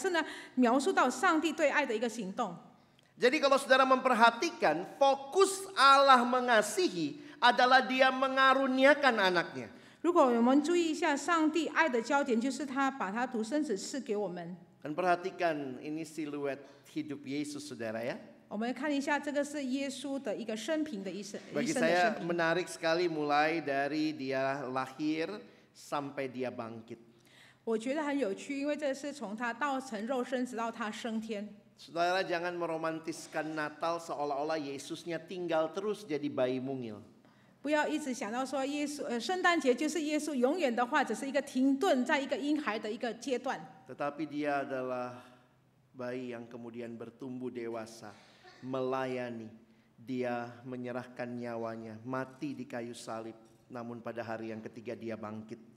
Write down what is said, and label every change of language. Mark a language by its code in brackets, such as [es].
[zh] 我们看第九节第四节讲到说，上帝差他的独生子来到世间，然后呢，神的爱在我们心里。这个并不是说他描述何为爱，而是呢，描述到上帝对爱的一个行动。 [id] Jadi kalau saudara memperhatikan, fokus Allah mengasihi adalah dia mengaruniakan anaknya. [zh] 如果我们注意一下，上帝爱的焦点就是他把他独生子赐给我们。 [id] Dan perhatikan ini siluet hidup Yesus, saudara ya. [zh] 我们看一下，这个是耶稣的一个生平的一生。 [id] Bagi saya menarik sekali mulai dari dia lahir sampai dia bangkit. [zh] 我觉得很有趣，因为这是从他道成肉身直到他升天。 [id] Saudara, jangan meromantiskan Natal seolah-olah Yesusnya tinggal terus jadi bayi mungil. [zh] 不要一直想到说耶稣，圣诞节就是耶稣永远的话，只是一个停顿在一个婴孩的一个阶段。 [id] Tetapi dia adalah bayi yang kemudian bertumbuh dewasa. Melayani, dia menyerahkan nyawanya, mati di kayu salib. Namun pada hari yang ketiga dia bangkit.